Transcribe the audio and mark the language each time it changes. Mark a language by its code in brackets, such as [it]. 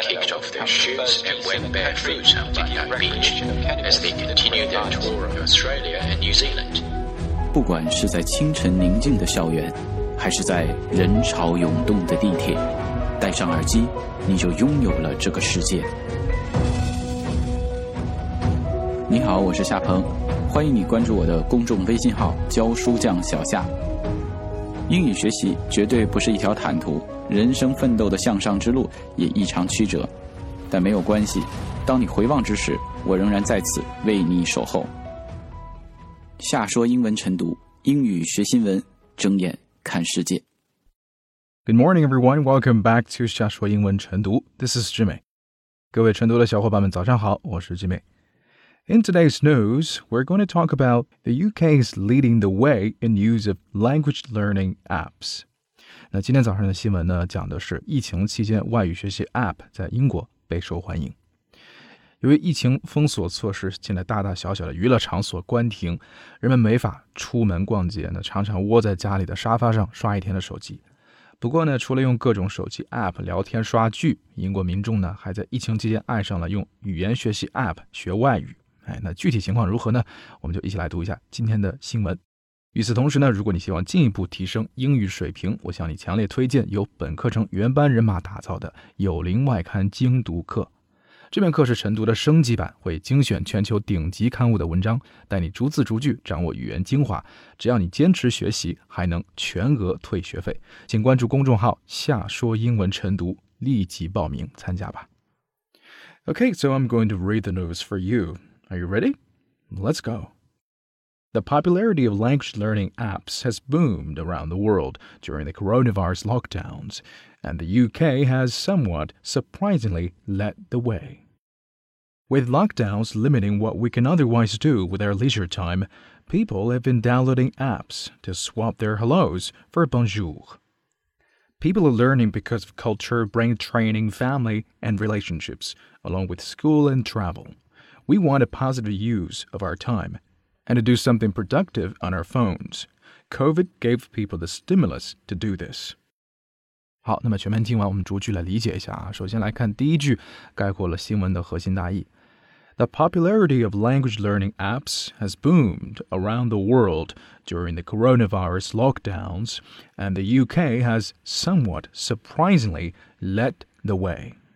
[en] kicked off their shoes and went barefoot on Bondi Beach as they continued their tour of Australia and New Zealand. [zh] 不管是在清晨宁静的校园，还是在人潮涌动的地铁，戴上耳机，你就拥有了这个世界。你好，我是夏鹏，欢迎你关注我的公众微信号“教书匠小夏”。英语学习绝对不是一条坦途，人生奋斗的向上之路也异常曲折，但没有关系，当你回望之时，我仍然在此为你守候。夏说英文晨读，英语学新闻，睁眼看世界。 [en] Good morning, everyone. Welcome back to 夏说英文晨读。This is Jimmy. [zh] 各位晨读的小伙伴们，早上好，我是 Jimmy。 [en] In today's news, we're going to talk about the UK is leading the way in use of language learning apps. [zh] 那今天早上的新闻呢，讲的是疫情期间外语学习 app 在英国备受欢迎。由于疫情封锁措施，现在大大小小的娱乐场所关停，人们没法出门逛街，那常常窝在家里的沙发上刷一天的手机。不过呢，除了用各种手机 APP 聊天刷剧，英国民众呢还在疫情期间爱上了用语言学习 APP 学外语。哎，那具体情况如何呢？我们就一起来读一下今天的新闻。与此同时呢，如果你希望进一步提升英语水平，我向你强烈推荐由本课程原班人马打造的有灵外刊精读课。这篇课是晨读的升级版，会精选全球顶级刊物的文章，带你逐字逐句掌握语言精华。只要你坚持学习，还能全额退学费。请关注公众号“夏说英文晨读”，立即报名参加吧。 [en] Okay, so I'm going to read the news for you. Are you ready? Let's go. The popularity of language learning apps has boomed around the world during the coronavirus lockdowns. And the UK has somewhat, surprisingly, led the way. With lockdowns limiting what we can otherwise do with our leisure time, people have been downloading apps to swap their hellos for bonjour. People are learning because of culture, brain training, family, and relationships, along with school and travel. We want a positive use of our time, and to do something productive on our phones. COVID gave people the stimulus to do this. [zh] 好，那么全篇听完，我们逐句来理解一下啊。首先来看第一句，概括了新闻的核心大意。 [en] The popularity of language learning apps has boomed around the world during the coronavirus lockdowns, and the UK has somewhat surprisingly led the way.